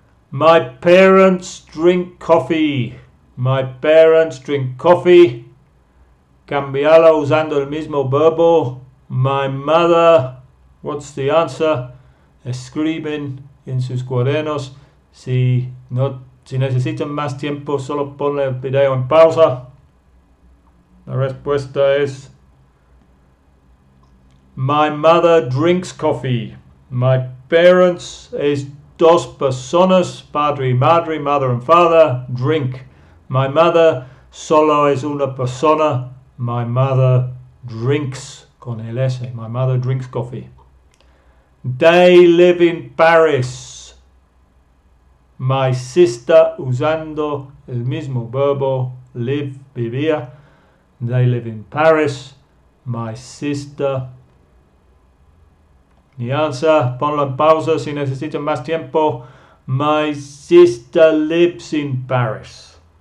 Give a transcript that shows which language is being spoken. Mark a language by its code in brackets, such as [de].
[en] My parents drink coffee. My parents drink coffee. [es] Cambiarlo usando el mismo verbo. [en] My mother. What's the answer? [es] Escriben en sus cuadernos. Si necesitan más tiempo, solo ponle el video en pausa. La respuesta es... [en] My mother drinks coffee. My parents [es] es dos personas. Padre y madre, [en] mother and father, drink. My mother [es] solo es una persona. [en] My mother drinks. [es] Con el S. [en] My mother drinks coffee. They live in Paris. My sister, [es] usando el mismo verbo, live, vivía. [en] They live in Paris. My sister. The answer, [es] ponlo en pausa si necesitan más tiempo. [en] My sister lives in Paris.